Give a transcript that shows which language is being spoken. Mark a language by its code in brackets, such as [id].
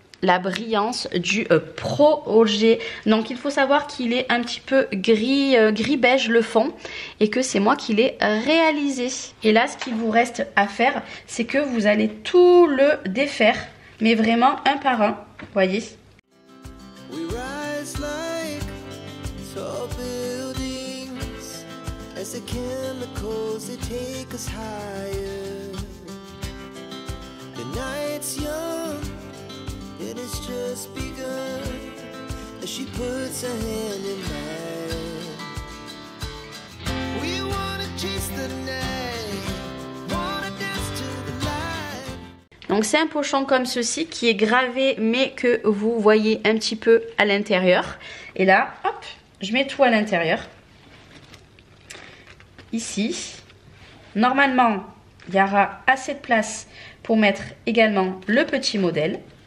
[fr] La brillance du projet. Donc il faut savoir qu'il est un petit peu gris beige le fond et que c'est moi qui l'ai réalisé. Et là, ce qu'il vous reste à faire, c'est que vous allez tout le défaire, mais vraiment un par un, voyez. [en] We rise like tall buildings, as the chemicals they take us higher. The night's young, it has just begun. A she puts her hand in mine. We wanna chase the night, wanna dance to the light. [fr] Donc c'est un pochon comme ceci qui est gravé mais que vous voyez un petit peu à l'intérieur. Et là, hop, je mets tout à l'intérieur. Ici, normalement, il y aura assez de place pour mettre également le petit modèle.